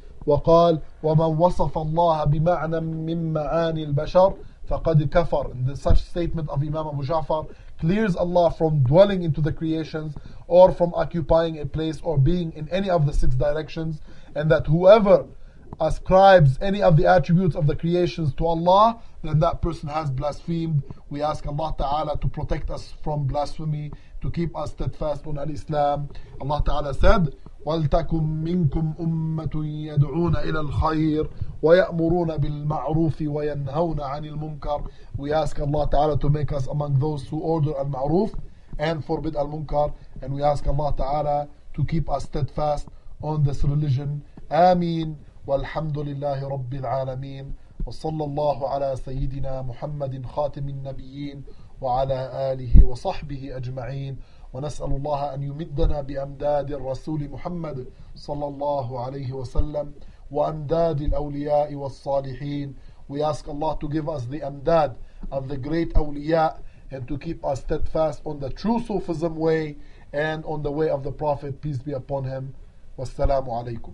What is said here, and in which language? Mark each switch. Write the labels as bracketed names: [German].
[Arabic] وقال ومن وصف الله بمعنى من معاني البشر فقد كفر. [English] Such statement of Imam Abu Ja'far clears Allah from dwelling into the creations or from occupying a place or being in any of the six directions, and that whoever ascribes any of the attributes of the creations to Allah, then that person has blasphemed. We ask Allah Ta'ala to protect us from blasphemy, to keep us steadfast on Al-Islam. [Arabic] Allah Ta'ala [English] said, [Arabic] وَلْتَكُمْ مِنْكُمْ أُمَّةٌ يَدْعُونَ إِلَى الْخَيْرِ وَيَأْمُرُونَ بِالْمَعْرُوفِ وَيَنْهَوْنَ عَنِ الْمُنْكَرِ. [English] We ask Allah Ta'ala to make us among those who order al-ma'roof and forbid al-munkar. And we ask Allah Ta'ala to keep us steadfast on this religion. Ameen. [Arabic] والحمد لله رب العالمين وصلى الله على سيدنا محمد خاتم النبيين وعلى آله وصحبه أجمعين ونسأل الله أن يمدنا بأمداد الرسول محمد صلى الله عليه وسلم وأمداد الأولياء والصالحين. [English] We ask Allah to give us the amdad of the great awliya and to keep us steadfast on the true Sufism way and on the way of the Prophet, peace be upon him. [Arabic] والسلام عليكم.